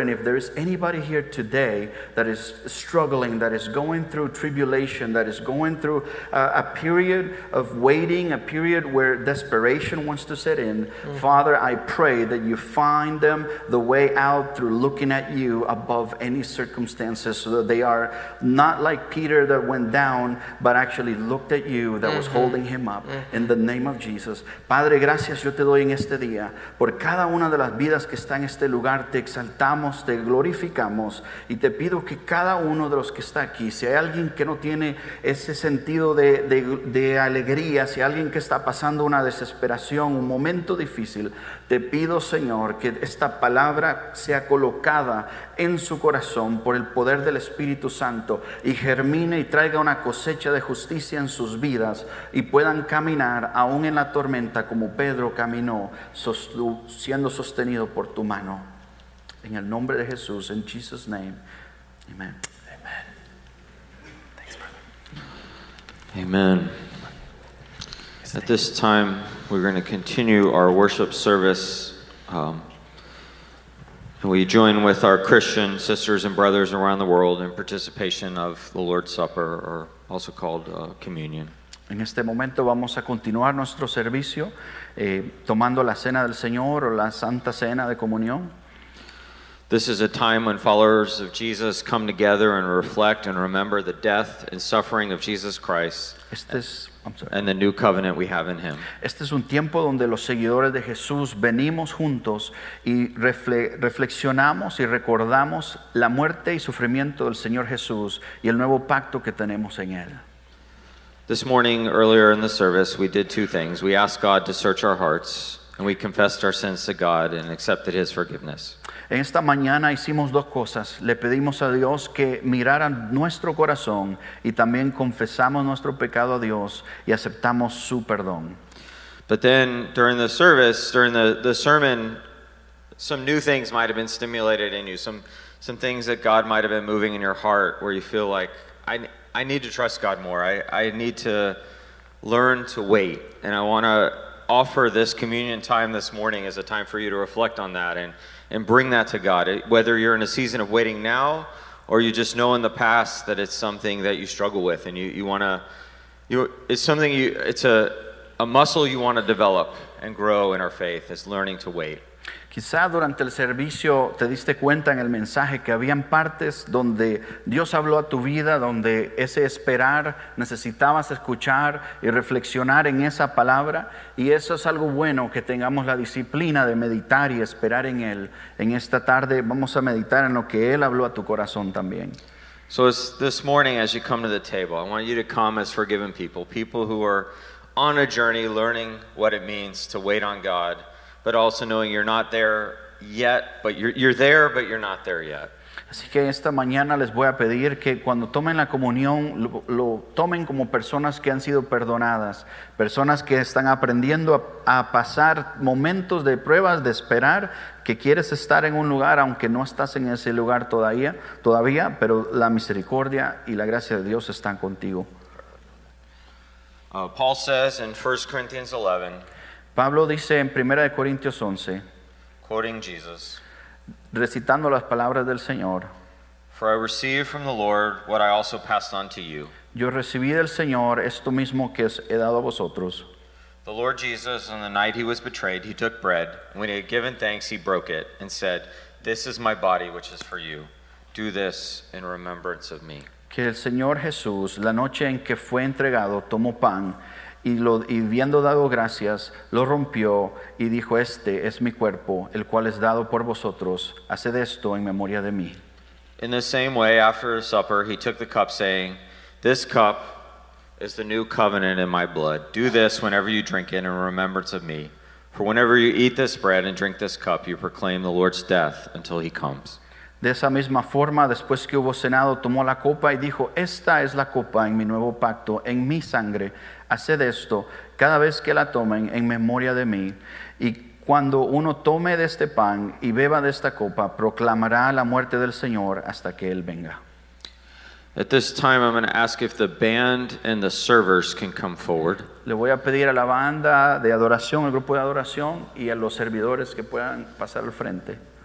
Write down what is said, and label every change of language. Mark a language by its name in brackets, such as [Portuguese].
[English] And if there is anybody here today that is struggling, that is going through tribulation, that is going through a period of waiting, a period where desperation wants to set in, Father, I pray that you find them the way out through looking at you above any circumstance, so that they are not like Peter that went down, but actually looked at you that was holding him up. In the name of Jesus. [Spanish] Padre, gracias yo te doy en este día por cada una de las vidas que está en este lugar. Te exaltamos, te glorificamos y te pido que cada uno de los que está aquí, si hay alguien que no tiene ese sentido de alegría, si hay alguien que está pasando una desesperación, un momento difícil, te pido, Señor, que esta palabra sea colocada en su corazón por el poder del Espíritu Santo y germine y traiga una cosecha de justicia en sus vidas y puedan caminar aún en la tormenta como Pedro caminó, siendo sostenido por tu mano. En el nombre de Jesús, [English] in Jesus' name, amen. Amen. Thanks, brother. Amen. At this time, we're going to continue our worship service. We join with our Christian sisters and brothers around the world in participation of the Lord's Supper, or also called communion. [Spanish] En este momento vamos a continuar nuestro servicio tomando la cena del Señor o la Santa Cena de Comunión. [English] This is a time when followers of Jesus come together and reflect and remember the death and suffering of Jesus Christ. And the new covenant we have in him. [Spanish] Este es un tiempo donde los seguidores de Jesús venimos juntos y reflexionamos y recordamos la muerte y sufrimiento del Señor Jesús y el nuevo pacto que tenemos en él. [English] This morning, earlier in the service, we did two things. We asked God to search our hearts, and we confessed our sins to God and accepted his forgiveness. [Spanish] En esta mañana hicimos dos cosas. Le pedimos a Dios que mirara nuestro corazón y también confesamos nuestro pecado a Dios y aceptamos su perdón. [English] But then during the service, during the sermon, some new things might have been stimulated in you, some things that God might have been moving in your heart where you feel like I need to trust God more. I need to learn to wait, and I want to offer this communion time this morning as a time for you to reflect on that and bring that to God, whether you're in a season of waiting now or you just know in the past that it's something that you struggle with and it's a muscle you want to develop and grow in our faith is learning to wait. [Spanish] Quizá durante el servicio te diste cuenta en el mensaje que habían partes donde Dios habló a tu vida, donde ese esperar necesitabas escuchar y reflexionar en esa palabra, y eso es algo bueno, que tengamos la disciplina de meditar y esperar en Él. En esta tarde vamos a meditar en lo que Él habló a tu corazón también. [English] So it's this morning as you come to the table, I want you to come as forgiven people, people who are on a journey learning what it means to wait on God, but also knowing you're not there yet, but you're there, but you're not there yet. [Spanish] Así que esta mañana les voy a pedir que cuando tomen la comunión, lo tomen como personas que han sido perdonadas, personas que están aprendiendo a pasar momentos de pruebas, de esperar, que quieres estar en un lugar, aunque no estás en ese lugar todavía, pero la misericordia y la gracia de Dios están contigo. [English] Paul says in 1 Corinthians 11, [Spanish] Pablo dice en 1 Corintios 11, [English] quoting Jesus, [Spanish] recitando las palabras del Señor, [English] "For I received from the Lord what I also passed on to you." [Spanish] Yo recibí del Señor esto mismo que he dado a vosotros. [English] The Lord Jesus, on the night he was betrayed, he took bread. When he had given thanks, he broke it and said, "This is my body which is for you. Do this in remembrance of me." [Spanish] Que el Señor Jesús, la noche en que fue entregado, tomó pan, y habiendo dado gracias, lo rompió y dijo, este es mi cuerpo, el cual es dado por vosotros. Haced esto en memoria de mí. [English] In the same way, after supper, he took the cup, saying, "This cup is the new covenant in my blood. Do this whenever you drink it in remembrance of me. For whenever you eat this bread and drink this cup, you proclaim the Lord's death until he comes." [Spanish] De esa misma forma, después que hubo cenado, tomó la copa y dijo, esta es la copa en mi nuevo pacto, en mi sangre. Haced esto cada vez que la tomen en memoria de mí. Y cuando uno tome de este pan y beba de esta copa, proclamará la muerte del Señor hasta que Él venga. [English] At this time, I'm going to ask if the band and the servers can come forward. [Spanish] Le voy a pedir a la banda de adoración, el grupo de adoración, y a los servidores que puedan pasar al frente.